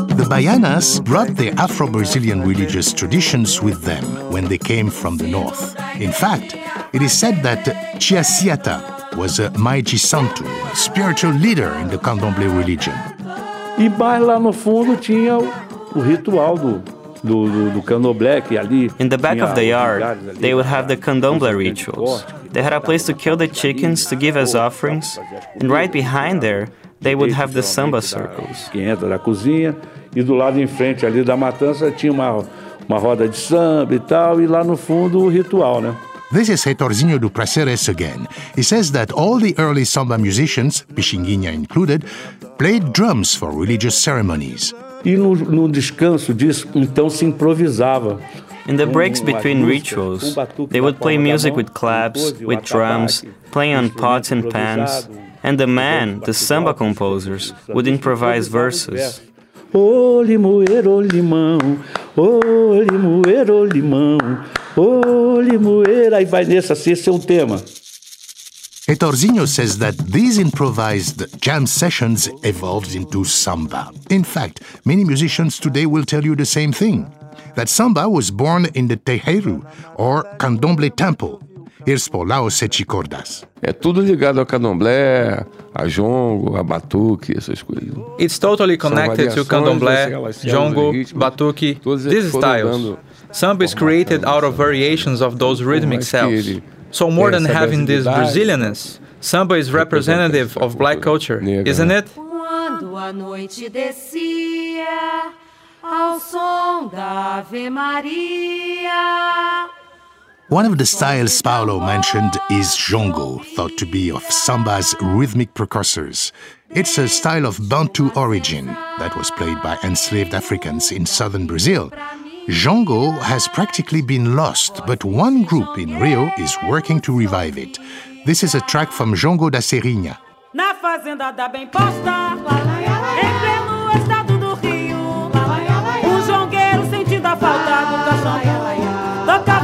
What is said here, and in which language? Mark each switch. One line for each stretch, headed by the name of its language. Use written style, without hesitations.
English: Baianas brought their Afro-Brazilian religious traditions with them when they came from the north. In fact, it is said that Chiaciata was a Maiji Santo, a spiritual leader in the Candomblé religion.
Portuguese: E mais lá no fundo tinha o ritual do Candomblé que ali.
English: In the back of the yard, they would have the Candomblé rituals. They had a place to kill the chickens to give as offerings, and right behind there, they would have the samba circles.
Portuguese: Quem entra da cozinha e do lado em frente ali da matança tinha uma roda de samba e tal, e lá no fundo o ritual, né?
English: This is Heitorzinho do Prazeres again. He says that all the early samba musicians, Pixinguinha included, played drums for religious ceremonies.
Portuguese: E no descanso disso, então se improvisava.
English: In the breaks between rituals, they would play music with claps, with drums, playing on pots and pans, and the men, the samba composers, would improvise verses.
Portuguese: Ô limoeiro limão, ô limoeiro limão, ô limoeiro, aí vai nessa, esse é o tema.
English: Heitorzinho says that these improvised jam sessions evolved into samba. In fact, many musicians today will tell you the same thing. That samba was born in the Tejeru, or Candomblé Temple. Here's Paulão Sete Cordas.
Portuguese: É tudo ligado ao candomblé, a jongo, a batuque, essas coisas.
English: It's totally connected to candomblé, jongo, batuque, these styles. Samba is created out of variations of those rhythmic cells. So more than having this Brazilianness, samba is representative of black culture, isn't it?
Portuguese: Quando a noite descia ao som da Ave Maria.
English: One of the styles Paulo mentioned is jongo, thought to be of samba's rhythmic precursors. It's a style of Bantu origin that was played by enslaved Africans in southern Brazil. Jongo has practically been lost, but one group in Rio is working to revive it. This is a track from Jongo da Serrinha.
Portuguese: Na fazenda da bem posta, em pleno estado do Rio, o jongueiro sentindo a falta do caixão.